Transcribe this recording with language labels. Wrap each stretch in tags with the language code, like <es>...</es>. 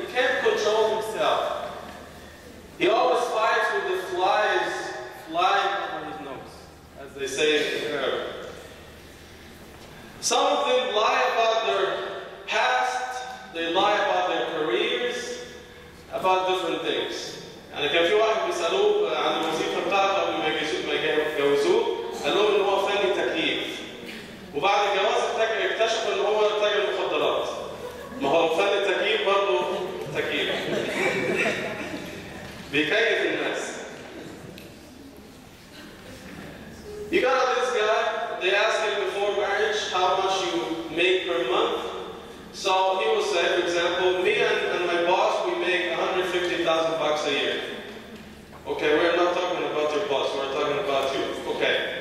<en>He can't control himself. He always fights with the flies flying on his nose, as they say in Arabic. Some of them lie about their past, they lie about their careers, about different things.</en> <ar>يعني كان في واحد بيسألوه عن الوظيفة بتاعته قبل ما يتجوزوه قال لهم إن هو فني تكييف وبعد الجواز اكتشف إن هو تاجر مخدرات ما هو فني تكييف برضه تكييف بيكيف الناس.</ar> <en>You got this guy, they ask him before marriage how much you make per month. So he will say, for example, me and my boss, we make 150,000 bucks a year. Okay, we're not talking about your boss, we're talking about you. Okay.</en>